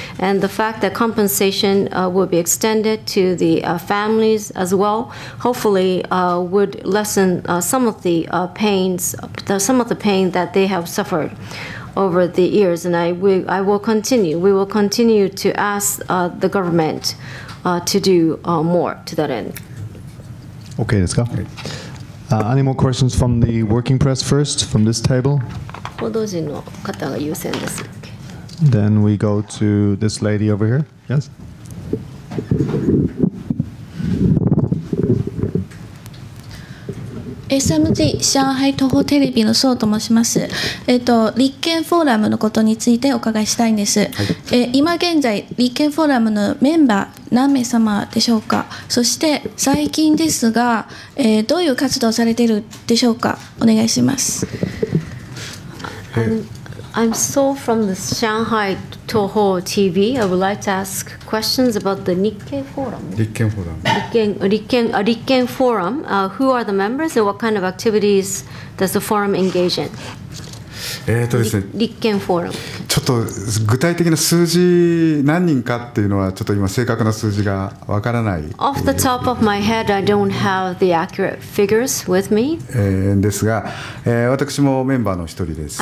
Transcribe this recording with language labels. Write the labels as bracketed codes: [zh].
[en] And the fact that compensation will be extended to the families as well, hopefully would lessen some of the pains, some of the pain that they have suffered over the years. And I will continue. We will continue to ask the government to do more to that end. Okay, [ja] ですか? [en] Any more questions from the working press first, from this table? [ja] 報道陣の方が優先です。 [en] Then we go to this lady over here. Yes? [ja] SMG 上海東方テレビの曹と申します、立憲フォーラムのことについてお伺いしたいんです、はい、今現在立憲フォーラムのメンバー何名様でしょうか。そして最近ですが、どういう活動されているでしょうか。お願いします。 [en] I'm Seoul from the Shanghai Toho TV. I would like to ask questions about the Nikkei Forum. [ja] 立憲フォーラム。 [en] 立憲 Forum. Who are the members and what kind of activities does the forum engage in? [ja] ですね、立憲フォーラム。ちょっと具体的な数字何人かっていうのはちょっと今正確な数字がわからない。 [en] Off the top of my head, I don't have the accurate figures with me. [ja] ですが、私もメンバーの一人です。